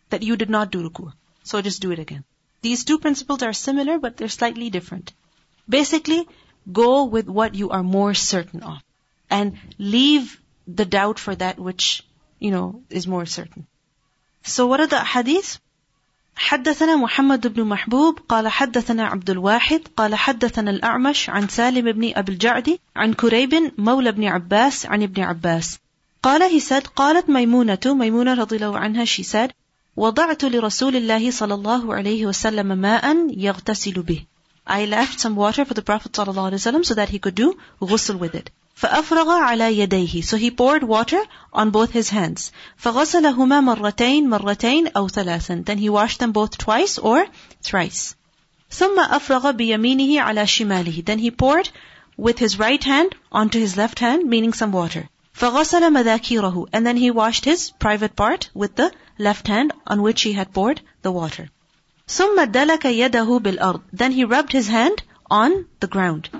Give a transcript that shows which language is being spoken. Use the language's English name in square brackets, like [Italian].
[English] That you did not do ruku'. So just do it again. These two principles are similar, but they're slightly different. Basically, go with what you are more certain of. And leave the doubt for that which, you know, is more certain. So what are the hadith? [Arabic] حدثنا محمد بن محبوب قال حدثنا عبد الواحد قال حدثنا الأعمش عن سالم بن أبي الجعد عن كريب مولى بن عباس عن ابن عباس قال, [English] he said, [Arabic] قالت ميمونة, ميمونة رضي الله عنها, [English] she said, [Arabic] وضعت لرسول الله صلى الله عليه وسلم ماء يغتسل به. [English] I left some water for the Prophet [Arabic] صلى الله عليه وسلم [English] so that he could do غسل with it. [Arabic] فأفرغ على يديه. [English] So he poured water on both his hands. [Arabic] فغسلهما مرتين مرتين أو ثلاثا. [English] Then he washed them both twice or thrice. [Arabic] ثم أفرغ بيمينه على شماله. [English] Then he poured with his right hand onto his left hand, meaning some water. [Arabic] فغسل مذاكيره. [English] And then he washed his private part with the left hand on which he had poured the water. [Arabic] ثم دلك يده بالأرض. [English] Then he rubbed his hand on the ground.